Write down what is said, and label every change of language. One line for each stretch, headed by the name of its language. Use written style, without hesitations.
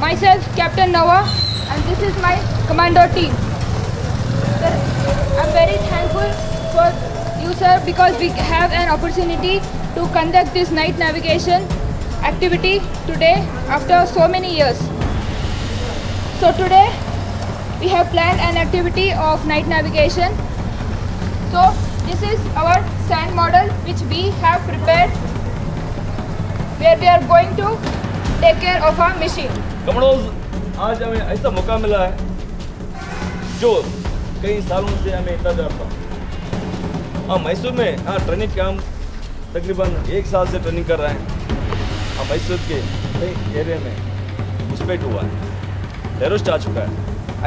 English: Myself captain Nava and this is my commando team sir. I am very thankful for you sir because we have an opportunity to conduct this night navigation activity today after so many years. So today we have planned an activity of night navigation. So this is our sand model which we have prepared where we are going to take care of our machine.
Hindi: Commandos, आज हमें ऐसा मौका मिला है जो कई सालों से हमें इंतजार था। हाँ, मैसूर में हाँ ट्रेनिंग के हम तकरीबन एक साल से ट्रेनिंग कर रहे हैं। मैसूर के एरिया में घुसपैठ हुआ है, टेररिस्ट आ चुका है।